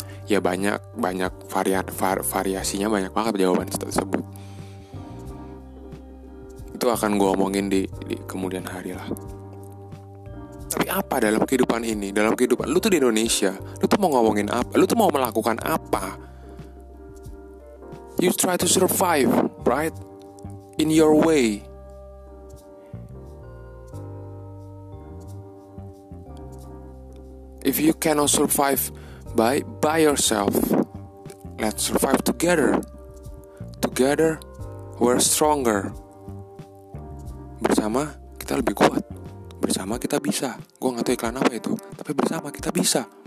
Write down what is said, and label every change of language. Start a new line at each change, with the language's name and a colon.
Indonesian: Ya banyak variasinya, banyak banget jawaban tersebut. Itu akan gue omongin di kemudian hari lah. Tapi apa dalam kehidupan ini? Dalam kehidupan lu tuh di Indonesia, lu tuh mau ngomongin apa? Lu tuh mau melakukan apa?
English: You try to survive, right? In your way. If you cannot survive by yourself, let's survive together. Together, we're stronger.
Indonesian: Bersama kita lebih kuat. Bersama kita bisa. Gue gak tahu iklan apa itu, tapi bersama kita bisa.